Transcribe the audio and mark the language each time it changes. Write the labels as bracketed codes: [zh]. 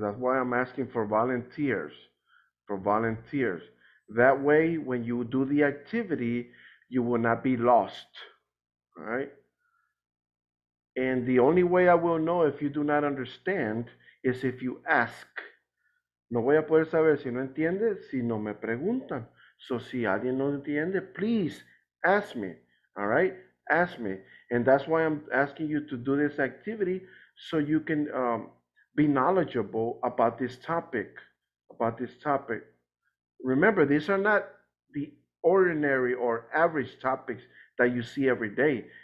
[en] That's why I'm asking for volunteers. For volunteers. That way, when you do the activity, you will not be lost. All right. And the only way I will know if you do not understand is if you ask. [es] No voy a poder saber si no entiende, si no me preguntan. [en] So [es] si alguien no entiende, [en] please ask me, all right? Ask me. And that's why I'm asking you to do this activity so you can be knowledgeable about this topic, about this topic. Remember, these are not the ordinary or average topics that you see every day.